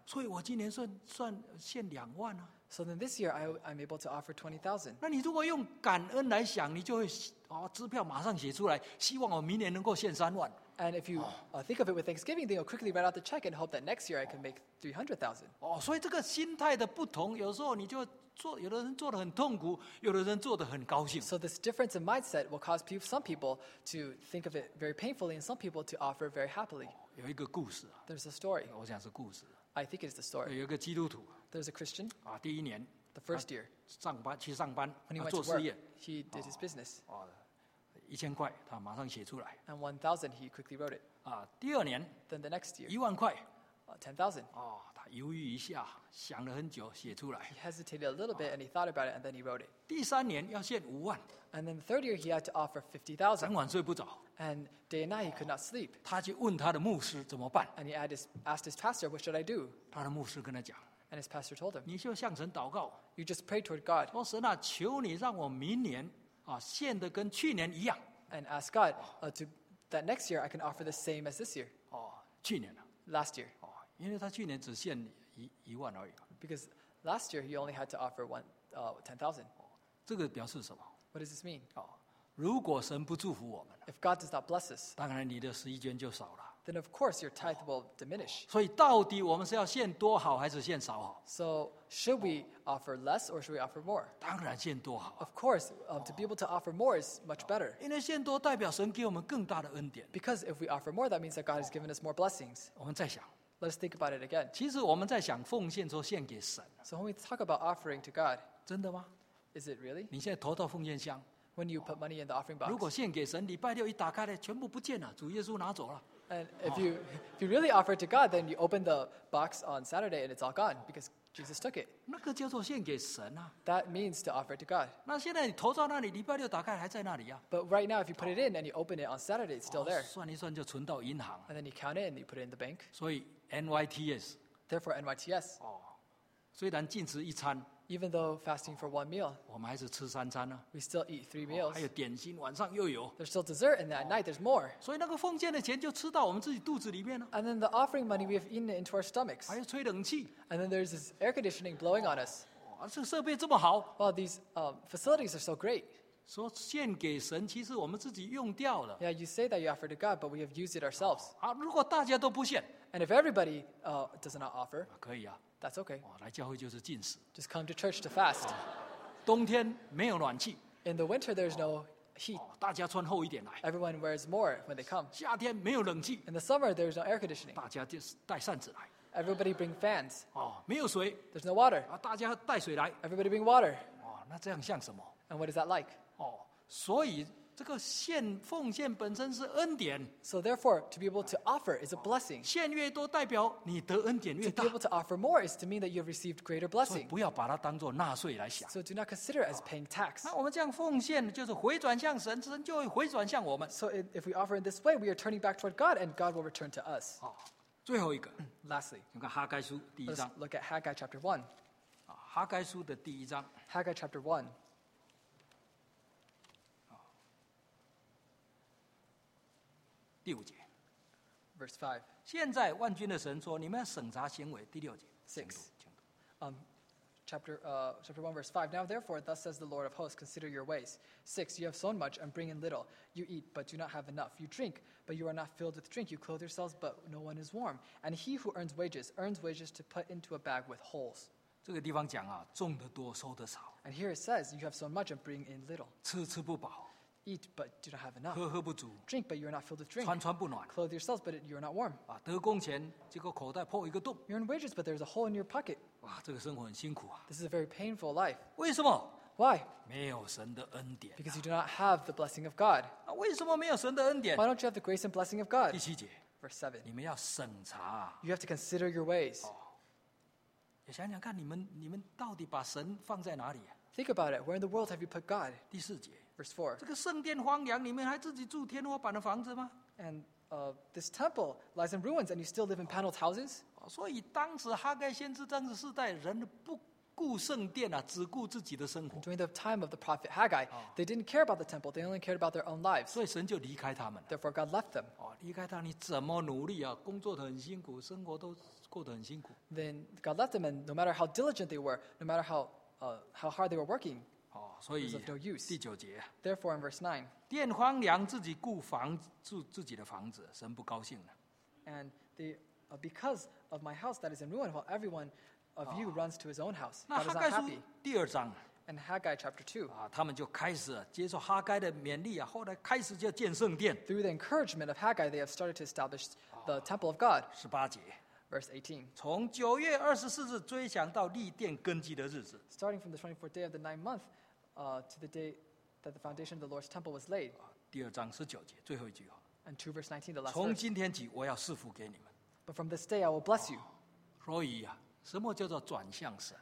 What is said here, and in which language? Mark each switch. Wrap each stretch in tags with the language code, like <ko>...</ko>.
<zh>所以我今年算献两万呢。</zh> <en>So then this year I'm able to offer 20,000.</en> <zh>那你如果用感恩来想，你就会支票马上写出来，希望我明年能够献三万。</zh> <en>And if you think of it with Thanksgiving, then you'll quickly write out the check and hope that next year I can make 300,000.</en> <zh>所以这个心态的不同，有时候你就。有的人做得很痛苦，有的人做得很高兴。</zh> <en>So this difference in mindset will cause some people to think of it very painfully and some people to offer very happily.</en> <zh>有一个故事。</zh> <en>There's a story.</en> <zh>我想是故事。</zh> <en>I think it's the story.</en> <zh>有一个基督徒。</zh> <en>There's a Christian.</en> <zh>第一年。</zh> <en>The first year.</en> <zh>去上班。</zh> <en>When he went to work, he did his business.</en> <zh>一千块，他马上写出来。</zh> <en>And 1,000, he quickly wrote it.</en> <zh>第二年。</zh> <en>Then the next year.</en> <zh>一万块。</zh> <en>10,000.</en> <zh>犹豫一下，想了很久，写出来。</zh> <en>He hesitated a little bit, and he thought about it, and then he wrote it.</en> <zh>第三年要献五万。</zh> <en>And then the third year, he had to offer 50,000.</en> <zh>整晚睡不着。</zh> <en>And day and night, he could not sleep.</en> <zh>他去问他的牧师怎么办。</zh> <en>And he asked his pastor, "What should I do?"</en> <zh>他的牧师跟他讲。</zh> <en>And his pastor told him,</en> <zh>你就向神祷告。</zh> <en>You just pray toward God.</en> <zh>说神啊，求你让我明年献的跟去年一样。</zh> <en>And ask God that next year I can offer the same as this year.</en> <zh>去年啊。</zh> <en>Last year.</en> <zh>因为他去年只献一万而已。</zh> <en>Because last year he only had to offer 10,000.</en> <zh>这个表示什么</zh> <en>？What does this mean？</en> <zh>如果神不祝福我们</zh> <en>，If God does not bless us，</en> <zh>当然你的十一捐就少了。</zh> <en>Then of course your tithe will diminish。</en> <zh>所以到底我们是要献多好还是献少好</zh> <en>？So should we offer less or should we offer more？</en> <zh>当然献多好。</zh> <en>Of course, to be able to offer more is much better。</en> <zh>因为献多代表神给我们更大的恩典。</zh> <en>Because if we offer more, that means that God has given us more blessings。</en> <zh>我们再想。</zh> <en>Let's think about it again.</en> <zh>其实我们在想奉献说献给神。</zh> <en>So when we talk about offering to God,</en> <zh>真的吗</zh> <en>？Is it really?</en> <zh>你现在投到奉献箱。</zh> <en>When you put money in the offering box.</en> <zh>如果献给神，礼拜六一打开来，全部不见了，主耶稣拿走了。</zh> <en>And if you really offer to God, then you open the box on Saturday and it's all gone because Jesus took it.</en> <zh>那个叫做献给神啊。</zh> <en>That means to offer to God.</en> <zh>那现在你投到那里，礼拜六打开还在那里呀。</zh> <en>But right now, if you put it in and you open it on Saturday, it's still there.</en> <zh>算一算就存到银行。</zh> <en>And then you count it and you put it in the bank.</en> <zh>所以。NYTS.</zh> <en>Therefore, NYTS.</en> <zh>虽然禁食一餐</zh> <en>Even though fasting for one meal,</en> <zh>我们还是吃三餐啊。</zh> <en>We still eat three meals.</en> <zh>还有点心，晚上又有。</zh> <en>There's still dessert, and at night there's more.</en> <zh>所以那个奉献的钱就吃到我们自己肚子里面了。</zh> <en>And then the offering money we have eaten into our stomachs.</en> <zh>还有吹冷气。</zh> <en>And then there's this air conditioning blowing on us.</en> <zh>这设备这么好。</zh> <en>Well, these facilities are so great.</en> <zh>说献给神，其实我们自己用掉了。</zh> <en>Yeah, you say that you offer to God, but we have used it ourselves.</en> <zh>如果大家都不献。</zh> <en>And if everybody does not offer,</en> <zh>可以啊,</zh> <en>that's okay.</en> <zh>来教会就是禁食。</zh> <en>Just come to church to fast.</en> <zh>冬天没有暖气。</zh> <en>In the winter, there's no heat.</en> <zh>大家穿厚一点来。</zh> <en>Everyone wears more when they come.</en> <zh>夏天没有冷气。</zh> <en>In the summer, there's no air conditioning.</en> <zh>大家就带扇子来。</zh> <en>Everybody bring fans.</en> <zh>没有水。</zh> <en>There's no water.</en> <zh>大家带水来。</zh> <en>Everybody bring water.</en> <zh>那这样像什么？</zh> <en>And what is that like?</en> <zh>所以这个献奉献本身是恩典。</zh> <en>So therefore, to be able to offer is a blessing.</en> <zh>献越多代表你得恩典越大。</zh> <en>To be able to offer more is to mean that you have received greater blessing.</en> <zh>所以不要把它当作纳税来想。</zh> <en>So do not consider it as paying tax.</en> <zh>那我们这样奉献就是回转向神，神就会回转向我们。</zh> <en>So if we offer in this way, we are turning back toward God and God will return to us.</en> <zh>最后一个。</zh> <en>Lastly.</en> <zh>你看哈该书第一章。</zh> <en>Let's look at Haggai chapter 1.</en> <zh>哈该书的第一章。</zh> <en>Haggai chapter 1.</en> <zh>第五节</zh> <en>Verse 5.</en> <zh>现在万军的神说你们要审查行为第六节</zh> <en>6. chapter 1, verse 5. Now therefore, thus says the Lord of hosts, consider your ways. 6, you have sown much and bring in little. You eat, but do not have enough. You drink, but you are not filled with drink. You clothe yourselves, but no one is warm. And he who earns wages to put into a bag with holes.</en> <zh>这个地方讲啊, 种得多, 收得少,</zh> <en>and here it says, you have sown much and bring in little.</en> <zh>吃不饱,</zh> <en>eat, but do not have enough.</en> <zh>喝不足,</zh> <en>drink, but you are not filled with drink.</en> <zh>穿不暖,</zh> <en>clothe yourselves, but you are not warm.</en> <zh>啊, 得工钱, 结果口袋破一个洞,</zh> <en>you earn wages, but there is a hole in your pocket.</en> <zh>哇, 这个生活很辛苦啊,</zh> <en>this is a very painful life.</en> <zh>为什么?</zh> <en>Why?</en> <zh>没有神的恩典啊,</zh> <en>because you do not have the blessing of God.</en> <zh>啊, 为什么没有神的恩典?</zh> <en>Why don't you have the grace and blessing of God?</en> <zh>第七节,</zh> <en>verse 7.</en> <zh>你们要审查,</zh> <en>you have to consider your ways.</en> <zh>哦, 想想看你们到底把神放在哪里啊?</zh> <en>Think about it. Where in the world have you put God?</en> <zh>第四节,</zh> <en>verse 4.</en> <zh>这个圣殿荒凉,你们还自己住天花板的房子吗?</zh> <en>And this temple lies in ruins and you still live in paneled houses?</en> <zh>所以当时哈该先知当时世代人不顾圣殿啊,只顾自己的生活。</zh> <en>During the time of the prophet Haggai, they didn't care about the temple, they only cared about their own lives.</en> <zh>所以神就离开他们。</zh> <en>Therefore God left them.</en> <zh>离开他你怎么努力啊,工作得很辛苦,生活都...</zh> <en>Then God left them, and no matter how diligent they were, no matter how hard they were working, it was of no use.</en> <zh>第九节,</zh> <en>therefore, in verse 9,</en> <zh>殿荒凉自己顾房,住自己的房子, 神不高兴了。</zh> <en>And they, because of my house that is in ruin, while everyone of you runs to his own house, God is not happy.</en> <zh>第二章,</zh> <en>and Haggai chapter 2,</en> <zh>啊, 他们就开始接受哈该的勉励啊,</zh> <en>through the encouragement of Haggai, they have started to establish the temple of God.</en> <zh>18节,</zh> <en>Verse 18. Starting from the 24th day of the ninth month to the day that the foundation of the Lord's temple was laid.</en> <zh>第二章19节, 最后一句话,</zh> <en>and 2 verse 19, the last</en> <zh>从今天起,</zh> <en>verse.</en> <zh>我要赐福给你们,</zh> <en>but from this day I will bless you.</en> <zh>所以啊, 什么叫做转向神?</zh>